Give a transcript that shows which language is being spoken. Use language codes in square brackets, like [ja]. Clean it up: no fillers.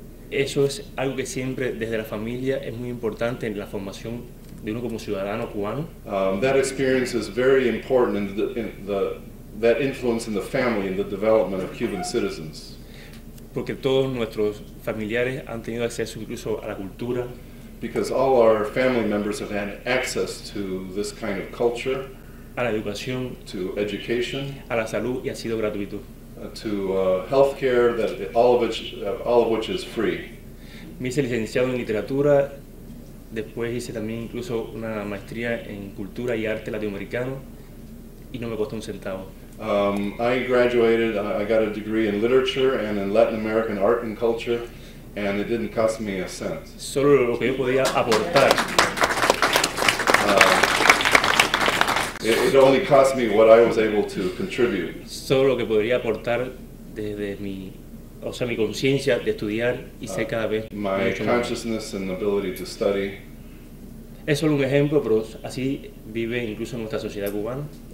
[es] Eso es algo que siempre desde la familia es muy importante en la formación de uno como ciudadano cubano. [en] That experience is very important in that influence in the family and the development of Cuban citizens. [es] Porque todos nuestros familiares han tenido acceso incluso a la cultura. [en] Because all our family members have had access to this kind of culture. [es] A la educación. [en] To education. [es] A la salud y ha sido gratuito. [en] To healthcare, that all of which is free. [es] Me hice licenciado en literatura. Después hice también incluso una maestría en cultura y arte latinoamericano y no me costó un centavo. [en] I graduated, I got a degree in literature and in Latin American art and culture, and it didn't cost me a cent. [es] Solo lo que yo podía aportar. [en] It only cost me what I was able to contribute. [es] Solo lo que podría aportar desde mi, o sea, mi conciencia de estudiar y ser cada vez [en] my [es] mucho [en] consciousness And ability to study. [es] Es solo un ejemplo, pero así vive incluso nuestra sociedad cubana.